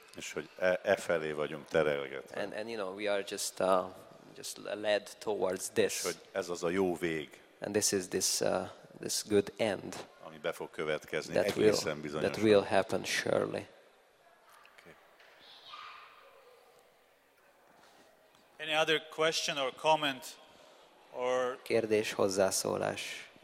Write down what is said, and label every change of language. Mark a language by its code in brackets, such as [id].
[hu] És hogy e felé vagyunk terelgetve. [en] And you know, we are just led towards this. [hu] És hogy ez az a jó vég. [en] And this is this good end. [hu] Be fog következni egészen bizonyosan. [en] That will happen surely. Okay. Any other question or comment or [hu] kérdés, hozzászólás?